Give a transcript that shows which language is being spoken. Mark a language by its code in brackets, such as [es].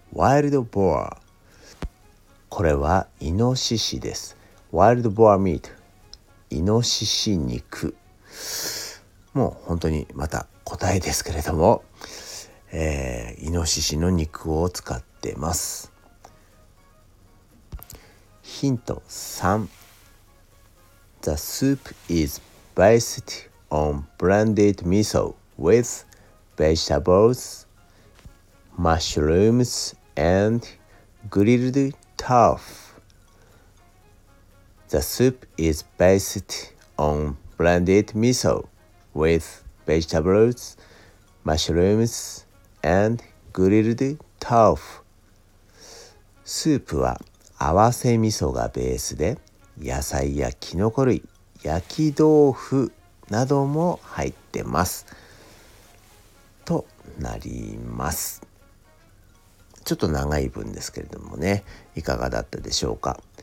[ja] ワイルドボア、これはイノシシです。ワイルドボアミート、イノシシ肉、もう本当にまた答えですけれども、イノシシの肉を使ってます。ヒント3、 [en] The soup is based on blended miso with vegetables, mushrooms and grilled turf. The soup is based on blended miso with vegetables, mushrooms and grilled turf. [ja] スープは合わせ味噌がベースで、野菜やキノコ類、焼き豆腐なども入ってます。となります。ちょっと長い文ですけれどもね、いかがだったでしょうか。